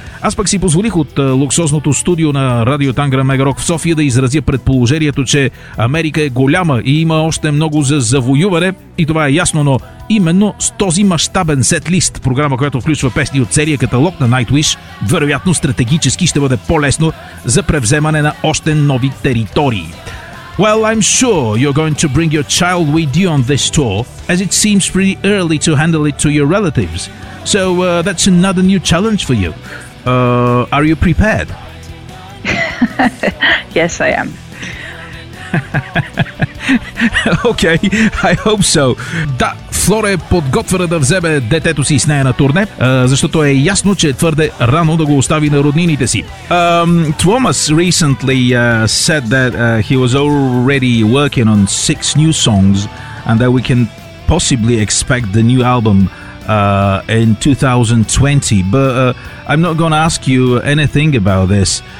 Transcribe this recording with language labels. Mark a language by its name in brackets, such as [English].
[Bulgarian] Аз пък си позволих от луксозното студио на Радио Тангра Мегарок в София да изразя предположението, че Америка е голяма и има още много за завоюване. И това е ясно, но именно с този мащабен сет-лист, програма, която включва песни от целия каталог на Nightwish, вероятно стратегически ще бъде по-лесно за превземане на още нови територии. [English] Well, I'm sure you're going to bring your child with you on this tour, as it seems pretty early to handle it to your relatives. So that's another new challenge for you. Are you prepared? Yes, I am. Okay, I hope so. [Bulgarian] Да, Флора е подготвена да вземе детето си с нея на турне, защото е ясно, че е твърде рано да го остави на роднините си. [English] Thomas recently said that he was already working on 6 new songs and that we can possibly expect the new album in 2020. But I'm not going to ask you anything about this.